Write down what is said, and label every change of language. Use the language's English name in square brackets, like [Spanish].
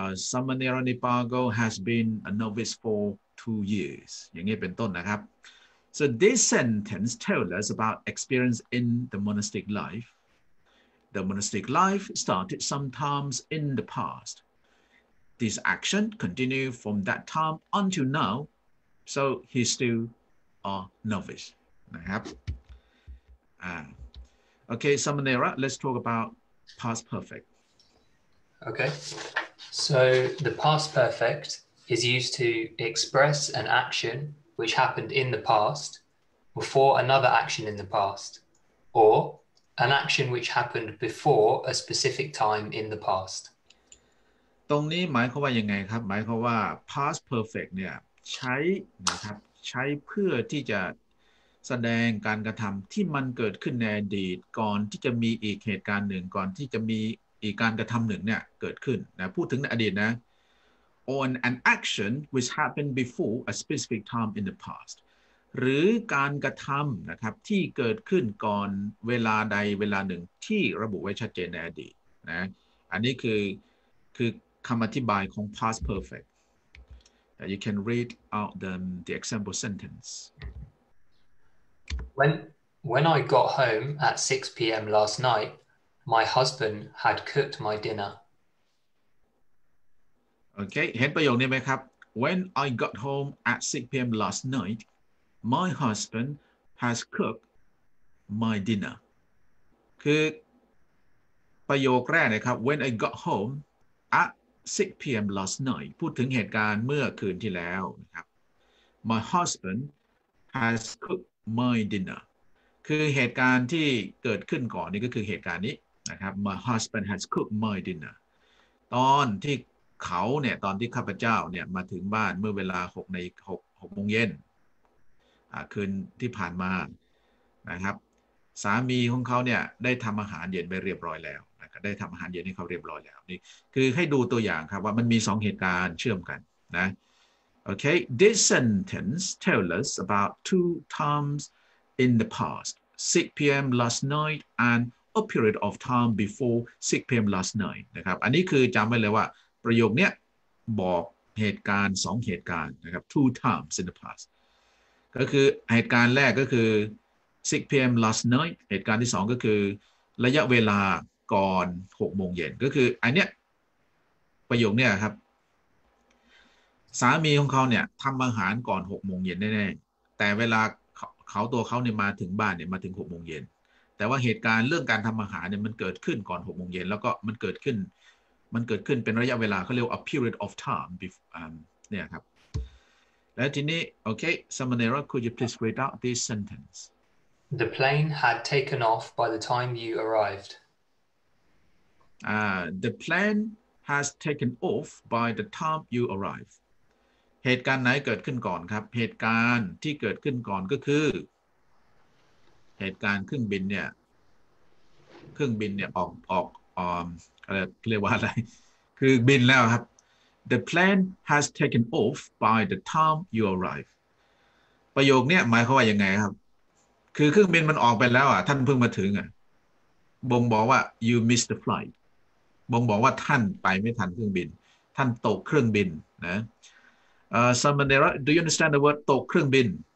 [English] Samanera Nipako has been a novice for 2 years [Thai] อย่างนี้เป็นต้นนะครับ [English] So this sentence tells us about experience in the monastic life The monastic life started sometimes in the past This action continued from that time until now So he's still a novice นะครับOkay, Samanera, let's talk about past perfect. Okay, so the past perfect is used to express an action which happened in the past before another action in the past, or an action which happened before a specific time in the past. [Thai] ตรงนี้หมายความว่ายังไงครับหมายความว่า past perfect เนี่ยใช้เพื่อที่จะแสดงการกระทำที่มันเกิดขึ้นในอดีตก่อนที่จะมีอีกเหตุการณ์หนึ่งก่อนที่จะมีอีกการกระทำหนึ่งเนี่ยเกิดขึ้นนะพูดถึงในอดีตนะ [English] on an action which happened before a specific time in the past [Thai] หรือการกระทำนะครับที่เกิดขึ้นก่อนเวลาใดเวลาหนึ่งที่ระบุไว้ชัดเจนในอดีตนะอันนี้คือคำอธิบายของ past perfect [English] you can read out the example sentence When I got home at 6 p.m. last night, my husband had cooked my dinner. Okay, [Thai] เห็นประโยคนี้ไหมครับ [English] When I got home at 6 p.m. last night, my husband has cooked my dinner [Thai] คือประโยคแรกนะครับ [English] when I got home at 6 p.m. [Thai] last night พูดถึงเหตุการณ์เมื่อคืนที่แล้วนะครับ [English] my husband has cooked my dinner [Thai] คือเหตุการณ์ที่เกิดขึ้นก่อนนี่ก็คือเหตุการณ์นี้นะครับ my husband has cooked my dinner ตอนที่เขาเนี่ยตอนที่ข้าพเจ้าเนี่ยมาถึงบ้านเมื่อเวลา6ใน6 6โมงเย็น คืนที่ผ่านมานะครับสามีของเขาเนี่ยได้ทำอาหารเย็นไปเรียบร้อยแล้วนะครับได้ทำอาหารเย็นให้เขาเรียบร้อยแล้วนี่คือให้ดูตัวอย่างครับว่ามันมี2เหตุการณ์เชื่อมกันนะโอเค [English] This sentence tells us about two times in the past 6 p.m. last night and a period of time before 6 p.m. [Thai] last night นะครับอันนี้คือจำไว้เลยว่าประโยคนี้บอกเหตุการณ์2เหตุการณ์นะครับ [English] two times in the past [Thai] ก็คือเหตุการณ์แรกก็คือ 6 p.m. last night เหตุการณ์ที่2ก็คือระยะเวลาก่อน 6 โมงเย็นก็คืออันเนี้ยประโยคนี้ครับสามีของเขาเนี่ยทำอาหารก่อน 6 โมงเย็นแน่ๆแต่เวลาเขาตัวเขาเนี่ยมาถึงบ้านเนี่ยมาถึง 6 โมงเย็นแต่ว่าเหตุการณ์เรื่องการทำอาหารเนี่ยมันเกิดขึ้นก่อน 6 โมงเย็นแล้วก็มันเกิดขึ้นเป็นระยะเวลาเขาเรียก [English] a period of time [Thai] เนี่ยครับและทีนี้โอเค [English] Samanera could you please read out this sentence The plane had taken off by the time you arrived The plane has taken off by the time you arrived [Thai] เหตุการณ์ไหนเกิดขึ้นก่อนครับเหตุการณ์ที่เกิดขึ้นก่อนก็คือเหตุการณ์เครื่องบินเนี่ย ออกเรียกว่าอะไรคือบินแล้วครับ [English] The plane has taken off by the time you arrive [Thai] ประโยคนี้หมายความว่ายังไงครับคือเครื่องบินมันออกไปแล้วอ่ะท่านเพิ่งมาถึงอ่ะบ่งบอกว่า [English] you missed the flight [Thai] บ่งบอกว่าท่านไปไม่ทันเครื่องบินท่านตกเครื่องบินนะ [English] Samanera do you understand the word [Thai] ตกเครื่องบิน